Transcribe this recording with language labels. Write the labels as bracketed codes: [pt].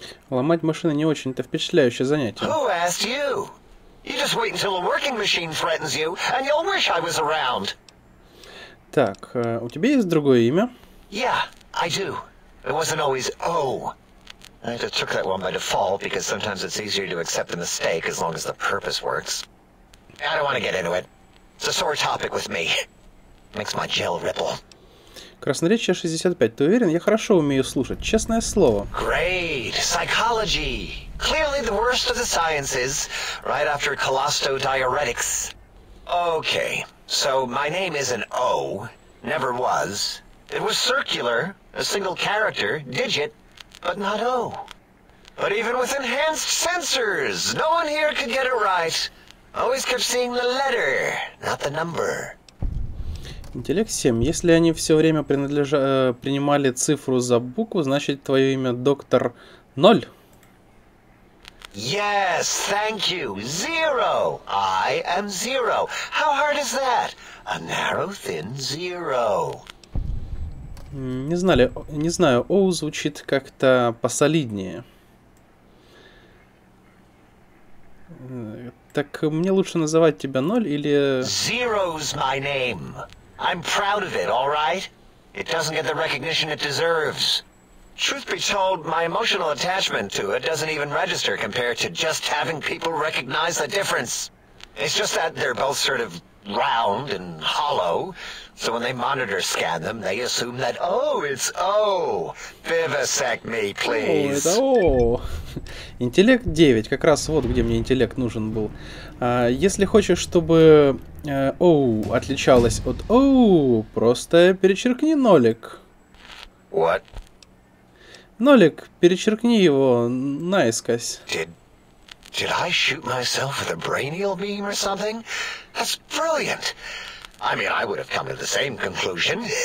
[ru] Ломать машины не очень-то впечатляющее занятие. [en] Who asked you? You just wait until a working machine threatens you, and you'll wish I was around. [ru] Так, у тебя есть другое имя? [en] Yeah, I do. It wasn't always O. I just took that one by default, because sometimes it's easier to accept the mistake as long as the purpose works. I don't want to get into it. It's a sore topic with me. Makes my gel ripple. [ru] Красноречие 65. Ты уверен? Я хорошо умею слушать. Честное слово. [en] Great! Psychology! Clearly the worst of the sciences, right after Colostodiuretics. Okay, so my name isn't O. Never was. It was circular, a single character, digit, but not O. But even with enhanced sensors, no one here could get it right. Always kept seeing the letter, not the number. [ru] Интеллект 7. Если они все время принимали цифру за букву, значит твое имя доктор 0. [en] Yes, thank you. Zero. I am zero. How hard is that? A narrow thin zero. [ru] Не знаю, O звучит как-то посолиднее. Так мне лучше называть тебя 0 или. [en] Zero's my name. I'm proud of it, all right? It doesn't get the recognition it deserves. Truth be told, my emotional attachment to it doesn't even register compared to just having people recognize the difference. It's just that they're both sort of round and hollow, so when they monitor scan them, they assume that, oh, it's O. Vivisect me, please. [ru] О, это О. Интеллект 9, как раз вот где мне интеллект нужен был. Если хочешь, чтобы О отличалось от О, просто перечеркни нолик. [en] What? [ru] Нолик, перечеркни его наискось. [en] Did I shoot myself with a brainial beam or something? That's brilliant. I mean, I would have come to the same conclusion.